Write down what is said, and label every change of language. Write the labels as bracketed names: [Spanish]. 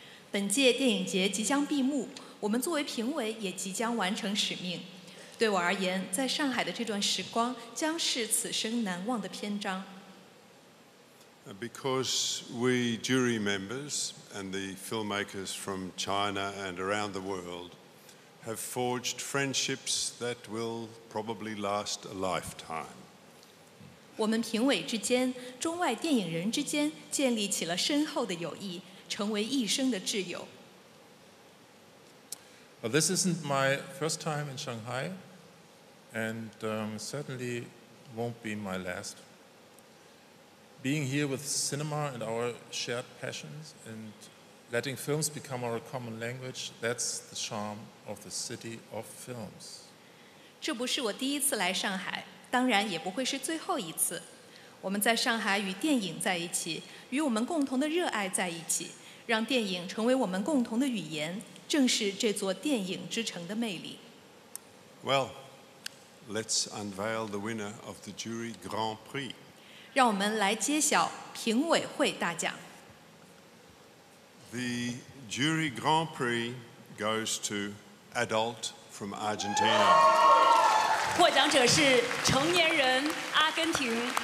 [Chinese] 本届电影节即将闭幕，我们作为评委也即将完成使命。对我而言，在上海的这段时光将是此生难忘的篇章。 [English] Because we jury members and the filmmakers from China and around the world have forged friendships that will probably last a lifetime. [Chinese] 我们评委之间、中外电影人之间建立起了深厚的友谊，成为一生的挚友。 [English] Well, this isn't my first time in Shanghai, and certainly won't be my last. Being here with cinema and our shared passions and letting films become our common language, that's the charm of the city of films. [Chinese] 这不是我第一次来上海，当然也不会是最后一次。我们在上海与电影在一起，与我们共同的热爱在一起，让电影成为我们共同的语言。正是这座电影之城的魅力。 [English] Well, let's unveil the winner of the jury Grand Prix. [Chinese] 让我们来揭晓评委会大奖。 [English] The jury Grand Prix goes to Adult from Argentina. [Chinese] 获奖者是成年人，阿根廷。